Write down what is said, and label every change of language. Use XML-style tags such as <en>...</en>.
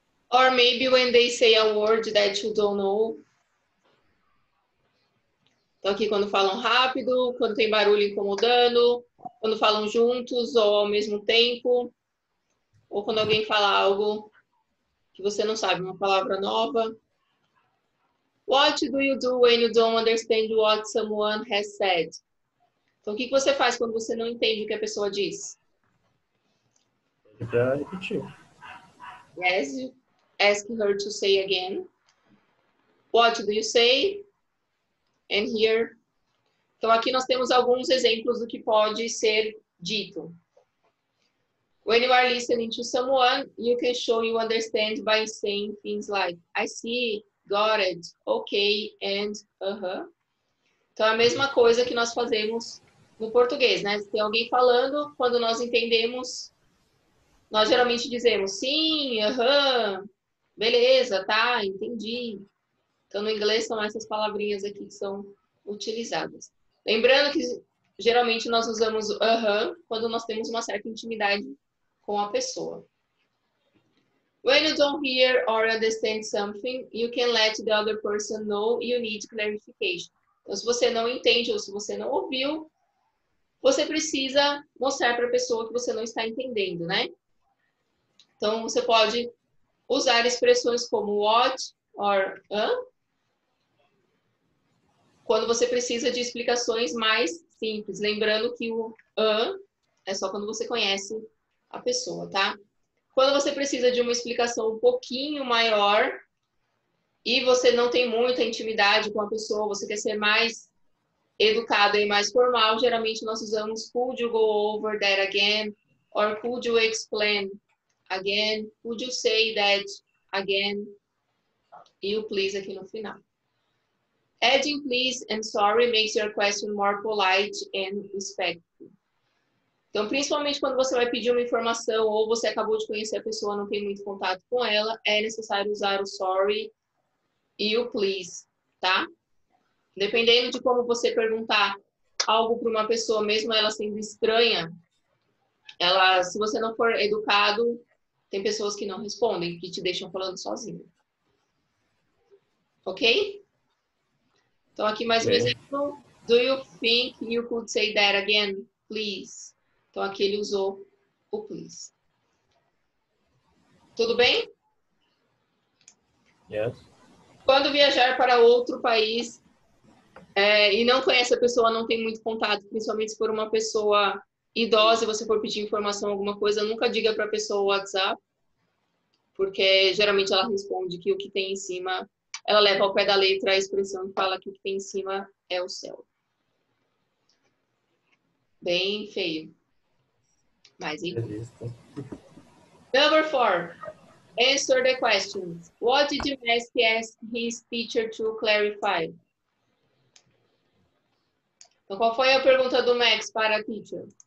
<en>Or maybe when they say a word that you don't know.</en> <pt>Então, aqui quando falam rápido, quando tem barulho incomodando, quando falam juntos ou ao mesmo tempo, ou quando alguém fala algo que você não sabe, uma palavra nova.</pt> <en>What do you do when you don't understand what someone has said?</en> <pt>Então, o que você faz quando você não entende o que a pessoa diz?</pt> <en>Yes, ask her to say again. What do you say? And here.</en> <pt>Então, aqui nós temos alguns exemplos do que pode ser dito.</pt> <en>When you are listening to someone, you can show you understand by saying things like, I see, got it, okay, and uh-huh.</en> <pt>Então, é a mesma coisa que nós fazemos no português, né? Tem alguém falando, quando nós entendemos, nós geralmente dizemos, sim, uh-huh, beleza, tá, entendi. Então, no inglês são essas palavrinhas aqui que são utilizadas. Lembrando que, geralmente, nós usamos uh-huh quando nós temos uma certa intimidade com a pessoa.</pt> <en>When you don't hear or understand something, you can let the other person know you need clarification.</en> <pt>Então, se você não entende ou se você não ouviu, você precisa mostrar para a pessoa que você não está entendendo, né? Então, você pode usar expressões como what or huh? Quando você precisa de explicações mais simples. Lembrando que o é só quando você conhece a pessoa, tá? Quando você precisa de uma explicação um pouquinho maior e você não tem muita intimidade com a pessoa, você quer ser mais educado e mais formal, geralmente nós usamos</pt> <en>could you go over that again? Or could you explain again? Could you say that again?</en> <pt>E o please aqui no final.</pt> <en>Adding please and sorry makes your question more polite and respectful.</en> <pt>Então, principalmente quando você vai pedir uma informação ou você acabou de conhecer a pessoa, não tem muito contato com ela, é necessário usar o sorry e o please, tá? Dependendo de como você perguntar algo para uma pessoa, mesmo ela sendo estranha, ela, se você não for educado, tem pessoas que não respondem, que te deixam falando sozinho. Ok? Então, aqui mais um exemplo.</pt> <en>Do you think you could say that again, please?</en> <pt>Então, aqui ele usou o please. Tudo bem?</pt> <en>Yes.</en> <pt>Quando viajar para outro país e não conhece a pessoa, não tem muito contato, principalmente se for uma pessoa idosa e você for pedir informação, alguma coisa, nunca diga para a pessoa o WhatsApp, porque geralmente ela responde que o que tem em cima... Ela leva ao pé da letra a expressão e fala que o que tem em cima é o céu. Bem feio. Mas, hein?</pt> <en>Number four. Answer the questions. What did you ask his teacher to clarify?</en> <pt>Então, qual foi a pergunta do Max para a teacher?</pt>